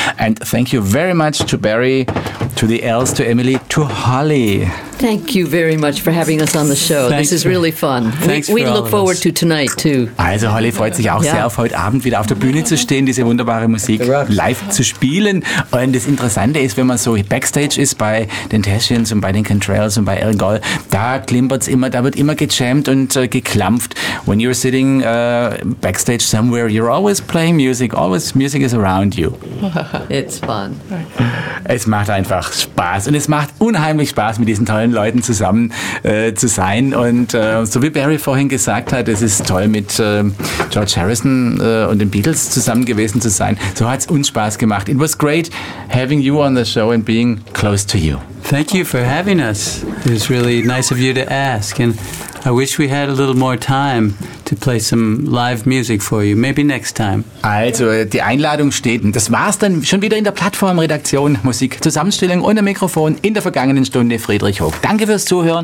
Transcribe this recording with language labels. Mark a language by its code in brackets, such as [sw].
[en] And thank you very much to Barry, to the Els, to Emily, to Holly. Thank you very much for having us on the show. Thanks. This is really fun. We look forward to tonight too. [de] Also Holly freut sich auch sehr auf heute Abend wieder auf der Bühne zu stehen, diese wunderbare Musik live zu spielen. Und das Interessante ist, wenn man so backstage ist bei den Tessians und bei den Cantrells und bei Al Gold, da klimpert's immer, da wird immer gejammt und geklampft. [en] When you're sitting backstage somewhere, you're always playing music. Always music is around you. It's fun. [de] Es macht einfach Spaß und es macht unheimlich Spaß mit diesen tollen Leuten zusammen zu sein. Und so wie Barry vorhin gesagt hat, es ist toll, mit George Harrison und den Beatles zusammen gewesen zu sein. So hat es uns Spaß gemacht. [en] It was great having you on the show and being close to you. Thank you for having us. It was really nice of you to ask. And I wish we had a little more time to play some live music for you. Maybe next time. [de] Also, die Einladung steht. Und das war's dann schon wieder in der Plattformredaktion. Musik, Zusammenstellung und ein Mikrofon in der vergangenen Stunde. Friedrich Hoch. Danke fürs Zuhören.